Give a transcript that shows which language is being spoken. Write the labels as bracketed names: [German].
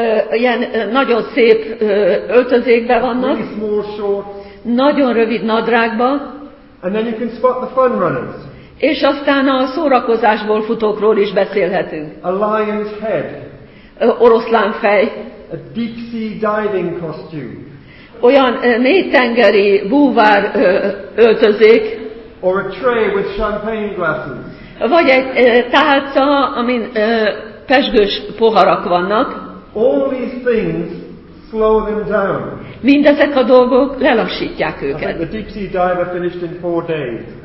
[Hungarian] Ilyen nagyon szép öltözékben vannak. [English] Really small shorts. [Hungarian] Nagyon rövid nadrágba. [English] And then you can spot the fun runners. [Hungarian] És aztán a szórakozásból futókról is beszélhetünk. [English] A lion's head. [Hungarian] Oroszlán fej. [English] A deep sea diving costume. [Hungarian] Olyan mélytengeri búvár öltözék. [English] Or a tray with champagne glasses. [Hungarian] Vagy egy tálca, amin pezsgős poharak vannak. [English] All these things slow them down. [Hungarian] Mindezek a dolgok lelassítják őket. [English] I think the deep sea diver finished in 4 days.